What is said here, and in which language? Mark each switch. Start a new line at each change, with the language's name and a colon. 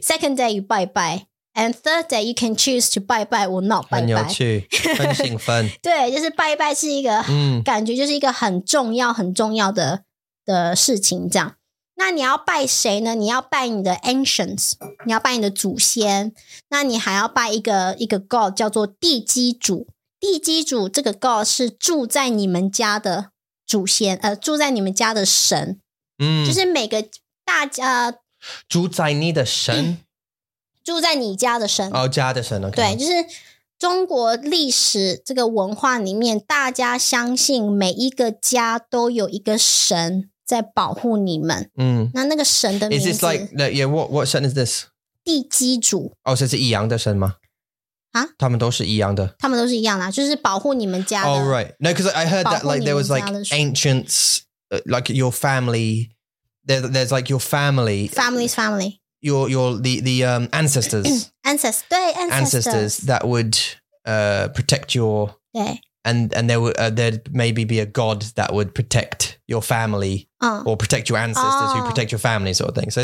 English: second day you 拜拜 and third day you can choose to 拜拜 or not 拜拜
Chinese: 很有趣很兴奋对就是拜拜是一个、感觉就是一个很重要很重要 的事情这样那你要拜谁呢你要拜你的 ancients 你要拜你的祖先那你还要拜一个 god 叫做地基主地基主这个 god 是住在你们家的祖先住在你们家的神嗯，就是每个大家住在你的神、住在你家的神哦家的神、okay. 对就是中国历史这个文化里面大家相信每一个家都有一个神在保护你们、那个神的名字
English: Is this like the, yeah, what 神 is this?
Chinese: 地基主哦、oh, 所以是一样的神吗、啊、他们都是一样的他们都是一样啦就是保护你们家的
English: Oh right No because I heard that like there was like ancients like your family there's like your family Family's family Your the ancestors Ancestors 对 ancestors that would protect your
Chinese: 对
English: And there would there'd maybe be a god that would protect your family or protect your ancestors、who protect your family sort of thing.